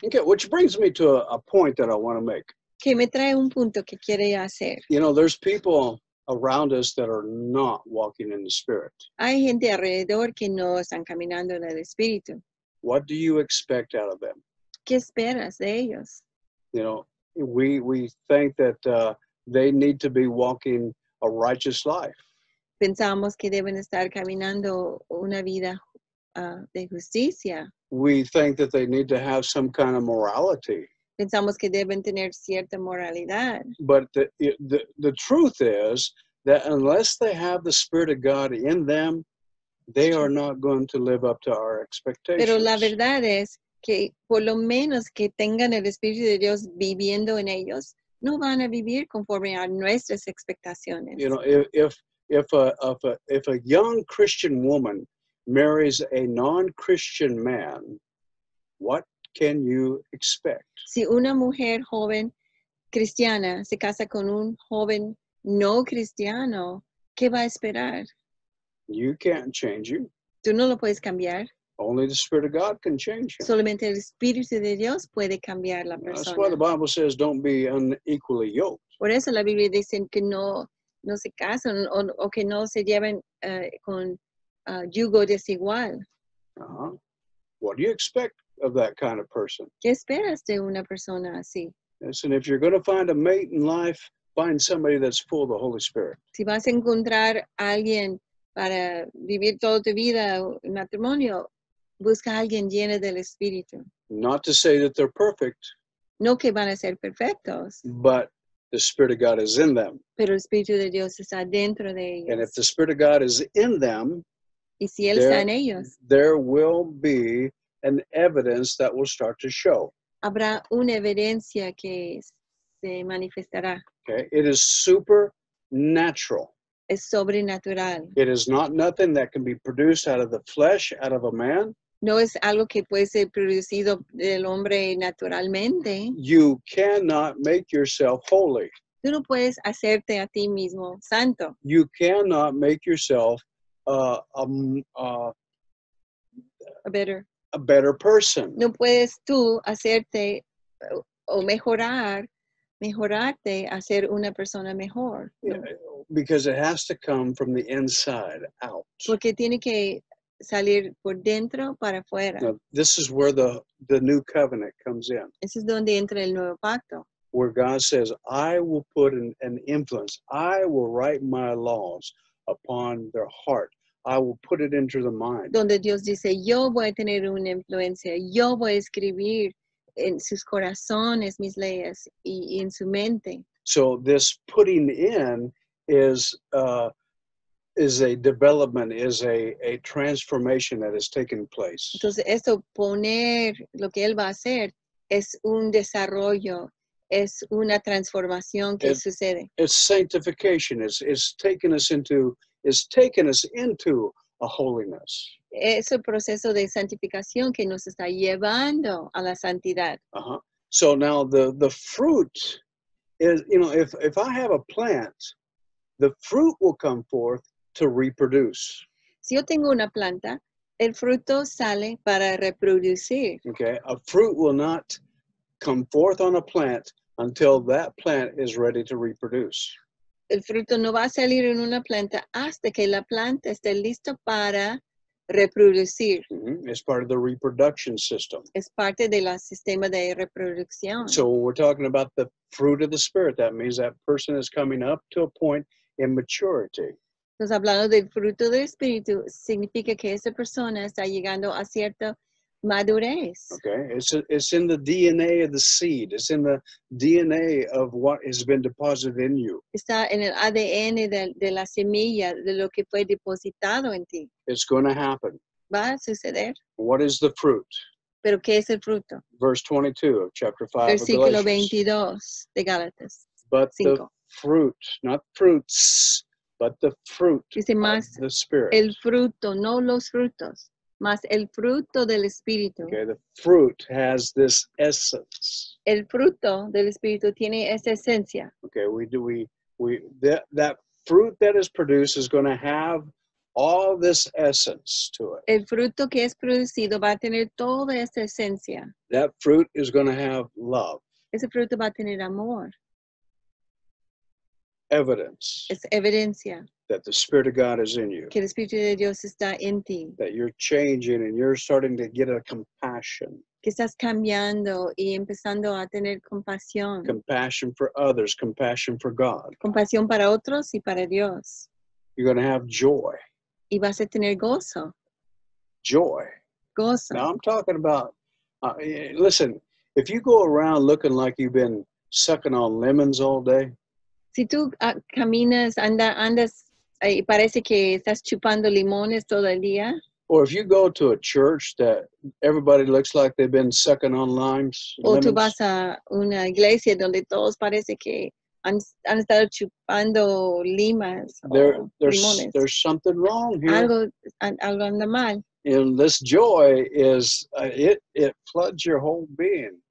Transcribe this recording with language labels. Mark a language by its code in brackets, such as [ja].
[en] Okay, which brings me to a point that I want to make. [es] Que me trae un punto que quiere hacer. [en] You know, there's people around us that are not walking in the Spirit. [es] Hay gente alrededor que no están caminando en el Espíritu. [en] What do you expect out of them? [es] ¿Qué esperas de ellos? [en] You know, we think that they need to be walking a righteous life. [es] Pensamos que deben estar caminando una vida de justicia. [en] We think that they need to have some kind of morality. [es] Pensamos que deben tener cierta moralidad. [en] But the truth is that unless they have the Spirit of God in them, they are not going to live up to our expectations. [es] Pero la verdad es que por lo menos que tengan el Espíritu de Dios viviendo en ellos, no van a vivir conforme a nuestras expectaciones. [en] You know, if a young Christian woman marries a non-Christian man, what can you expect? [es] Si una mujer joven cristiana se casa con un joven no cristiano, ¿qué va a esperar? [en] You can't change him. [es] Tú no lo puedes cambiar. [en] Only the Spirit of God can change him. [es] Solamente el Espíritu de Dios puede cambiar la persona. [en] That's why the Bible says don't be unequally yoked. [es] Por eso la Biblia dice que no se casen o que no se lleven con yugo desigual. Uh-huh. [en] What do you expect of that kind of person? [es] ¿Qué esperas de una persona así? [en] Listen, if you're going to find a mate in life, find somebody that's full of the Holy Spirit. [es] Si vas a encontrar alguien para vivir toda tu vida en matrimonio, busca a alguien lleno del Espíritu. [en] Not to say that they're perfect. [es] No que van a ser perfectos. [en] But the Spirit of God is in them. [es] Pero el Espíritu de Dios está dentro de ellos. [en] And if the Spirit of God is in them, [es] y si él está en ellos, [en] there will be an evidence that will start to show. [es] Habrá una evidencia que se manifestará. [en] Okay, it is supernatural. [es] Es sobrenatural. [en] It is not nothing that can be produced out of the flesh, out of a man. [es] No es algo que puede ser producido del hombre naturalmente. [en] You cannot make yourself holy. [es] Tú no puedes hacerte a ti mismo santo. [en] You cannot make yourself a better person. [es] No puedes tú hacerte o mejorarte a ser una persona mejor. [en] Yeah, because it has to come from the inside out. [es] Porque tiene que salir por dentro para afuera. [en] Now, this is where the new covenant comes in. [es] Ese es donde entra el nuevo pacto. [en] Where God says, I will put an influence. I will write my laws upon their heart. I will put it into the mind. [es] Donde Dios dice, yo voy a tener una influencia. Yo voy a escribir en sus corazones mis leyes y en su mente. [en] So this putting in is a development, is a transformation that has taken place. [es] Entonces esto poner lo que él va a hacer es un desarrollo, es una transformación que sucede. [en] It's sanctification. It's taking us into a holiness. [es] Es el proceso de santificación que nos está llevando a la santidad. Uh-huh. [en] So now the fruit is, you know, if I have a plant, the fruit will come forth to reproduce. [es] Si yo tengo una planta, el fruto sale para reproducir. [en] Okay, a fruit will not come forth on a plant until that plant is ready to reproduce. [es] El fruto no va a salir en una planta hasta que la planta esté lista para reproducir. [en] Mm-hmm. It's part of the reproduction system. [es] Es parte del sistema de reproducción. [en] So when we're talking about the fruit of the Spirit, that means that person is coming up to a point in maturity. [es] Entonces, hablando del fruto del Espíritu, significa que esa persona está llegando a cierta madurez. [en] Okay, it's in the DNA of the seed. It's in the DNA of what has been deposited in you. [es] Está en el ADN de la semilla, de lo que fue depositado en ti. [en] It's going to happen. [es] Va a suceder. [en] What is the fruit? [es] Pero ¿qué es el fruto? [en] Verse 22 of chapter 5 [es] Versículo [en] of Galatians. [es] 22 de Gálatas. [en] But [es] 5. [en] The fruit, not fruits, but the fruit [es] Dice más, [en] of the Spirit. [es] El fruto, no los frutos, más el fruto del Espíritu. [en] Okay, the fruit has this essence. [es] El fruto del Espíritu tiene esa esencia. [en] Okay, that fruit that is produced is going to have all this essence to it. [es] El fruto que es producido va a tener toda esa esencia. [en] That fruit is going to have love. [es] Ese fruto va a tener amor. [en] Evidence. [es] Es evidencia. [en] That the Spirit of God is in you. [es] Que el Espíritu de Dios está en ti. [en] That you're changing and you're starting to get a compassion. [es] Que estás cambiando y empezando a tener compasión. [en] Compassion for others, compassion for God. [es] Compasión para otros y para Dios. [en] You're going to have joy. [es] Y vas a tener gozo. [en] Joy. [es] Gozo. [en] Now I'm talking about, listen, if you go around looking like you've been sucking on lemons all day. [es] Si tú caminas, andas, y parece que estás chupando limones todo el día. [en] Or if you go to a church that everybody looks like they've been sucking on limes. [es] O tú vas a una iglesia donde todos parece que han estado chupando limas limones. [en] There's something wrong here. [es] Algo anda mal. [en] And this joy is, it floods your whole being.